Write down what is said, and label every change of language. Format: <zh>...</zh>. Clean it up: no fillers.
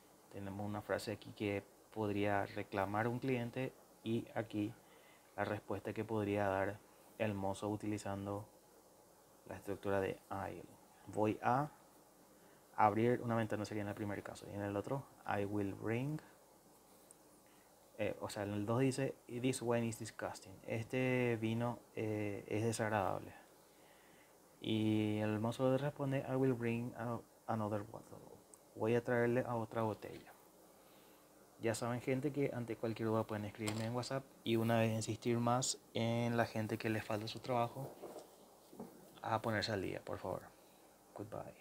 <es>Tenemos una frase aquí que podría reclamar un cliente y aquí la respuesta que podría dar el mozo utilizando la estructura de I. Voy a abrir una ventana, sería en el primer caso. Y en el otro,</es> <en>I will bring.</en> <es>En el 2 dice,</es> <en>this wine is disgusting.</en> <es>Este vino es desagradable. Y el mozo le responde,</es> <en>I will bring another bottle.</en> <es>Voy a traerle a otra botella. Ya saben, gente, que ante cualquier duda pueden escribirme en WhatsApp. Y una vez insistir más en la gente que le falta su trabajo, a ponerse al día, por favor.</es> <en>Goodbye.</en>